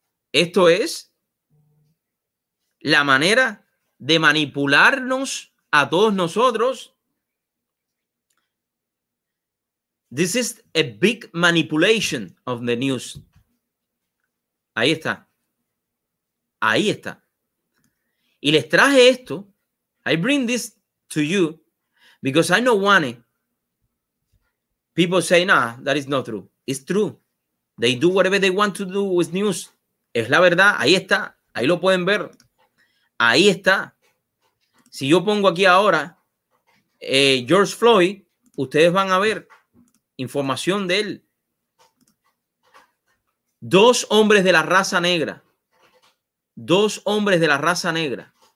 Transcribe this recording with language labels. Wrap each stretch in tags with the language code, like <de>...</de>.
<es>Esto es la manera de manipularnos a todos nosotros.</es> <en>This is a big manipulation of the news.</en> <es>Ahí está. Ahí está. Y les traje esto.</es> <en>I bring this to you because I don't want it. People say, nah, that is not true. It's true. They do whatever they want to do with news.</en> <es>Es la verdad. Ahí está. Ahí lo pueden ver. Ahí está. Si yo pongo aquí ahora George Floyd, ustedes van a ver información de él. Dos hombres de la raza negra. Dos hombres de la raza negra.</es>